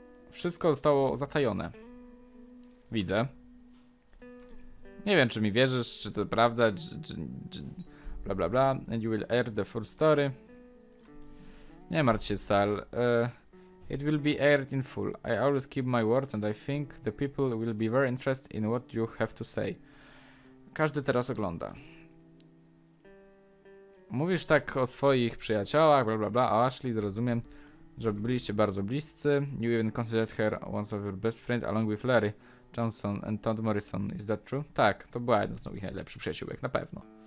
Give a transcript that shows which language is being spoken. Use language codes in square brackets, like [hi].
[pl] Wszystko zostało zatajone. Widzę. Nie wiem, czy mi wierzysz, czy to prawda, czy bla bla bla. [en] And you will air the full story. [pl] Nie martw się, [en] Sal. It will be aired in full. I always keep my word and I think the people will be very interested in what you have to say. [pl] Każdy teraz ogląda. Mówisz tak o swoich przyjaciołach, bla bla bla, o Ashley, zrozumiem, że byliście bardzo bliscy. [en] You even considered her once of your best friend along with Larry Johnson and Todd Morrison. Is that true? [pl] Tak, to była jedna z moich najlepszych przyjaciółek, na pewno.